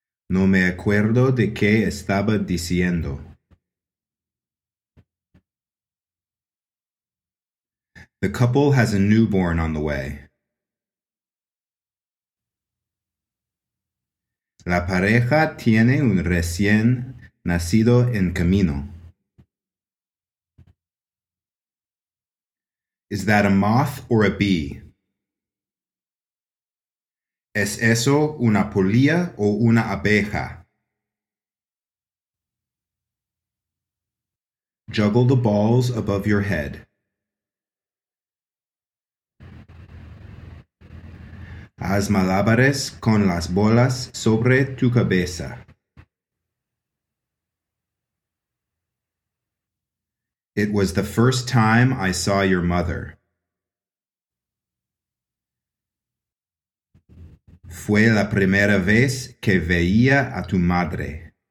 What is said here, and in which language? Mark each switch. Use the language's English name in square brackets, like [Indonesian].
[Spanish] No me acuerdo de qué estaba diciendo. [English] The couple has a newborn on the way. [Spanish] La pareja tiene un recién nacido en camino. [English] Is that a moth or a bee? [Spanish] ¿Es eso una polilla o una abeja? [English] Juggle the balls above your head. [Spanish] Haz malabares con las bolas sobre tu cabeza. [English] It was the first time I saw your mother. [Spanish] Fue la primera vez que veía a tu madre.